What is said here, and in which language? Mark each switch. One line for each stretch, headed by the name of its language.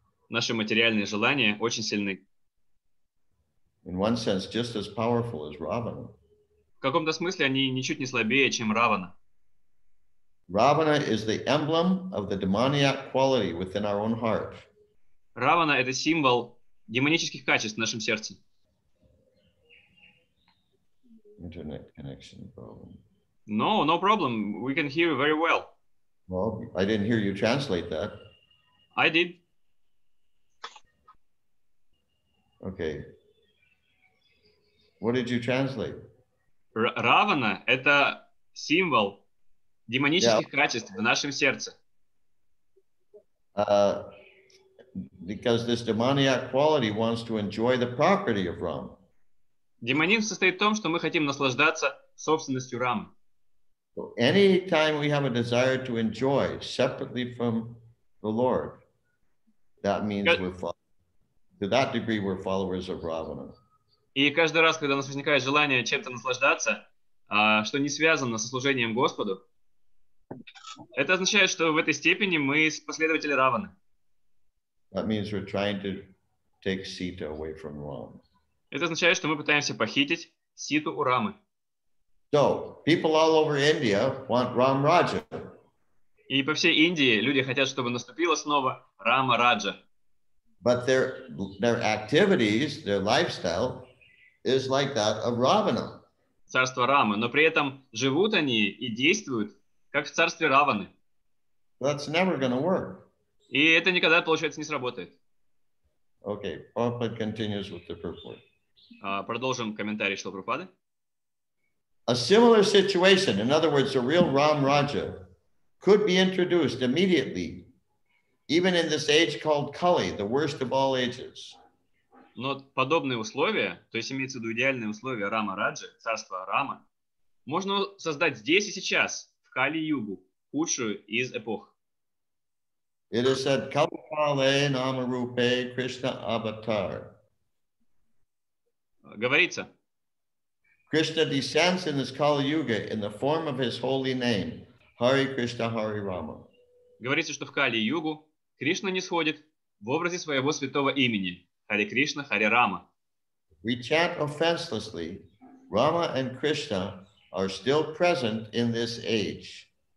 Russian: Наши материальные желания очень сильны.
English: In one sense, just as powerful as Ravana.
Russian: В каком-то смысле они ничуть не слабее, чем Равана.
English: Ravana is the emblem of the demoniac quality within our own heart.
Russian: Ravana — это символ демонических качеств в нашем сердце.
English: Internet connection problem. No, no problem. We can hear you very well. Well, I didn't hear you translate that. I did. Okay. What did you translate?
Russian: Ravana — это символ демонических yeah. качеств в нашем сердце.
English: Because this demoniac quality wants to enjoy the property of Ram.
Russian: Демонизм состоит в том, что мы хотим наслаждаться собственностью Рам.
English: So any time we have a desire to enjoy separately from the Lord, that means we're followers. To that degree, we're followers of Ravana.
Russian: И каждый раз, когда у нас возникает желание чем-то наслаждаться, что не связано со служением Господу, это означает, что в этой степени мы последователи Раваны.
English: That means we're trying to take Sita away from Ram.
Russian: Это означает, что мы пытаемся похитить Ситу у Рамы.
English: So, people all over India want Ram Raja.
Russian: И по всей Индии люди хотят, чтобы наступила снова Рама Раджа.
English: But their activities, their lifestyle is like that of Ravana.
Russian: Царство Рамы, но при этом живут они и действуют как в царстве Раваны.
English: That's never gonna work.
Russian: И это никогда, получается, не сработает.
English: Okay, Prabhupada continues with the purport.
Russian: Продолжим комментарий Шрилы Прабхупады.
English: A similar situation, in other words, a real Ram Raja, could be introduced immediately, even in this age called Kali, the worst of all ages.
Russian: Но подобные условия, то есть имеется в виду идеальные условия Рама Раджи, царства Рама, можно создать здесь и сейчас, в Кали-Югу, худшую из эпох.
English: It is said, Kali-Kale, Nama-Rupe, Krishna-Avatar.
Russian: Говорится.
English: Krishna descends in this Kali-Yuga in the form of his holy name, Hare Krishna, Hare Rama.
Russian: Говорится, что в Кали-Югу Кришна нисходит в образе своего святого имени.
English: Hare Krishna, Hare Rama. We chant offenselessly, Rama and Krishna are still present in this age.